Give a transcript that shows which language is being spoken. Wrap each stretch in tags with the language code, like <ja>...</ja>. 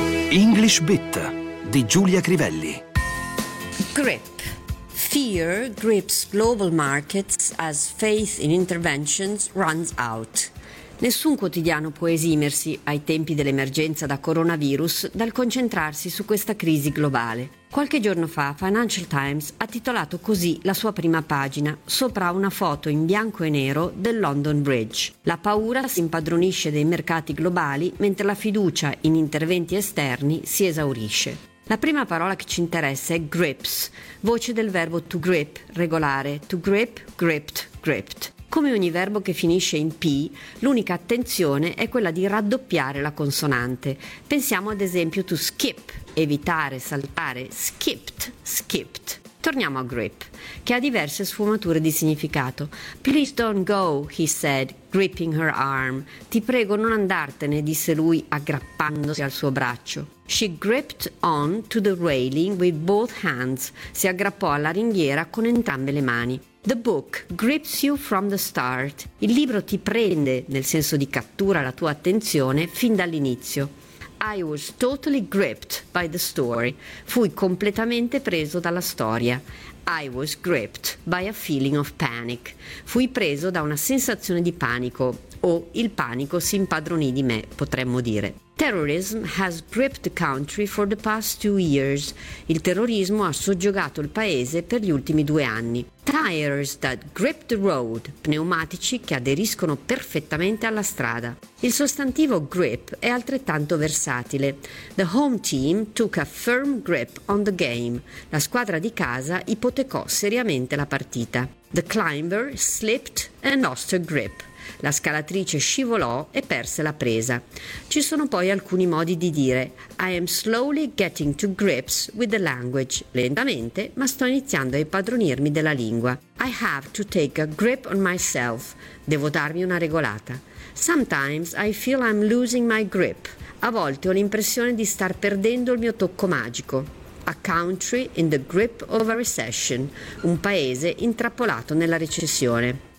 <it>English Bit di Giulia Crivelli.</it> <en>Grip. Fear grips global markets as faith in interventions runs out.</en> <it>Nessun quotidiano può esimersi, ai tempi dell'emergenza da coronavirus, dal concentrarsi su questa crisi globale. Qualche giorno fa Financial Times ha titolato così la sua prima pagina, sopra una foto in bianco e nero del London Bridge. La paura si impadronisce dei mercati globali, mentre la fiducia in interventi esterni si esaurisce. La prima parola che ci interessa è grips, voce del verbo to grip, regolare,</it> <en>to grip, gripped, gripped.</en> <it>Come ogni verbo che finisce in P, l'unica attenzione è quella di raddoppiare la consonante. Pensiamo ad esempio</it> <en>to skip,</en> <it>evitare, saltare,</it> <en>skipped, skipped.</en> <it>Torniamo a grip, che ha diverse sfumature di significato.</it> <en>Please don't go, he said, gripping her arm.</en> <it>Ti prego non andartene, disse lui aggrappandosi al suo braccio.</it> <en>She gripped on to the railing with both hands.</en> <it>Si aggrappò alla ringhiera con entrambe le mani.</it> <en>The book grips you from the start.</en> <it>Il libro ti prende, nel senso di cattura la tua attenzione, fin dall'inizio.</it> <en>I was totally gripped by the story.</en> <it>Fui completamente preso dalla storia.</it> <en>I was gripped by a feeling of panic.</en> <it>Fui preso da una sensazione di panico, o il panico si impadronì di me, potremmo dire.</it> <en>Terrorism has gripped the country for the past 2 years.</en> <it>Il terrorismo ha soggiogato il paese per gli ultimi 2 anni.</it> <en>Tires that grip the road,</en> <it>pneumatici che aderiscono perfettamente alla strada. Il sostantivo grip è altrettanto versatile.</it> <en>The home team took a firm grip on the game.</en> <it>La squadra di casa ipotecò seriamente la partita.</it> <en>The climber slipped and lost her grip.</en> <it>La scalatrice scivolò e perse la presa. Ci sono poi alcuni modi di dire</it> <en>I am slowly getting to grips with the language.</en> <it>Lentamente, ma sto iniziando a impadronirmi della lingua.</it> <en>I have to take a grip on myself.</en> <it>Devo darmi una regolata.</it> <en>Sometimes I feel I'm losing my grip.</en> <it>A volte ho l'impressione di star perdendo il mio tocco magico.</it> <en>A country in the grip of a recession.</en> <it>Un paese intrappolato nella recessione.</it>